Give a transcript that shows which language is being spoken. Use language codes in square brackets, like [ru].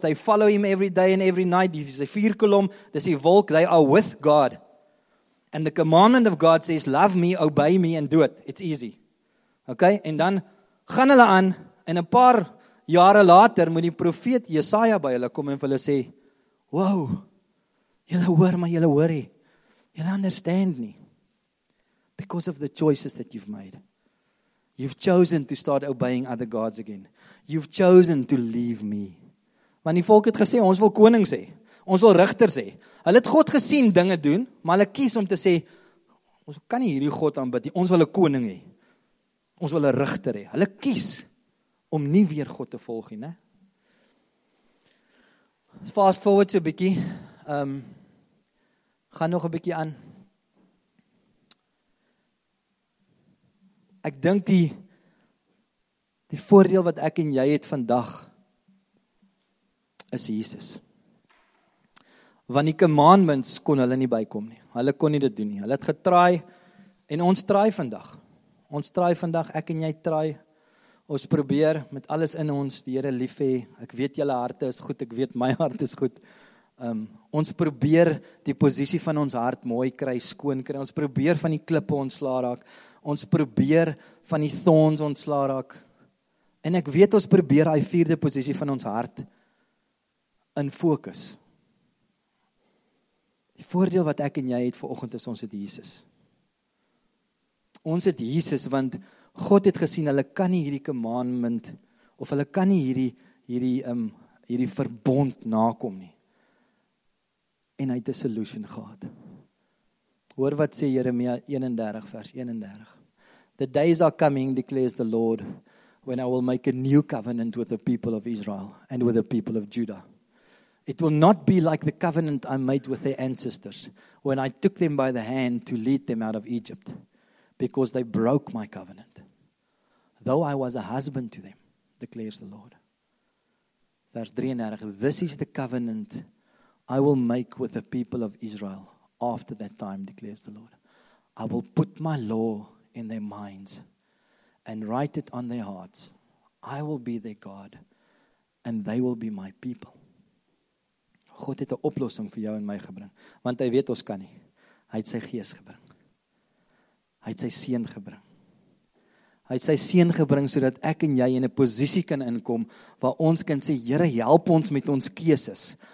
[en] They follow him every day and every night. [af] Dis is 'n vuurkolom. Dis die volk. [en] They are with God. And the commandment of God says, love me, obey me and do it. It's easy. Okay? [af] En dan gaan hulle aan en 'n paar jare later moet die profeet Jesaja by hulle kom en vir hulle sê, wow, julle hoor, maar julle hoor nie. Julle understand nie. [en] Because of the choices that you've made. You've chosen to start obeying other gods again. You've chosen to leave me. [af] Want die volk het gesê, ons wil konings hê. Ons wil rigters hê. Hulle het God gesien dinge doen, maar hulle kies om te sê, ons kan nie hierdie God aanbid nie. Ons wil 'n koning hê. Ons wil 'n rigter hê. Hulle kies om nie weer God te volg nie, né? [en] Fast forward [af] so 'n bietjie. Gaan nog 'n bietjie aan. Ek dink die voordeel wat ek en jy het vandag is Jesus. Want die commandments kon hulle nie bykom nie. Hulle kon nie dit doen nie. Hulle het getraai en ons traai vandag. Ons traai vandag, ek en jy traai. Ons probeer met alles in ons die Here lief hê. Ek weet julle harte is goed, ek weet my hart is goed. Ons probeer die posisie van ons hart mooi kry, skoon kry. Ons probeer van die klippe ontslaa raak. Ons probeer van die thorns ontslaa raak. En ek weet ons probeer daai vierde posisie van ons hart in fokus. Die voordeel wat ek en jy het vanoggend is ons het Jesus. Ons het Jesus want God het gesien hulle kan nie hierdie commandment of hulle kan nie hierdie verbond nakom nie. En hy het 'n solution gehad. Hoor wat sê Jeremia 31 vers 31. [en] The days are coming, declares the Lord, when I will make a new covenant with the people of Israel and with the people of Judah. It will not be like the covenant I made with their ancestors when I took them by the hand to lead them out of Egypt because they broke my covenant. Though I was a husband to them, declares the Lord. Verse 33, this is the covenant I will make with the people of Israel after that time, declares the Lord. I will put my law in their minds and write it on their hearts. I will be their God and they will be my people. [af] God het 'n oplossing vir jou en my gebring, want hy weet ons kan nie. Hy het sy gees gebring. Hy het sy seun gebring. Hy het sy seun gebring sodat ek en jy in 'n posisie kan inkom waar ons kan sê, Here, help ons met ons keuses.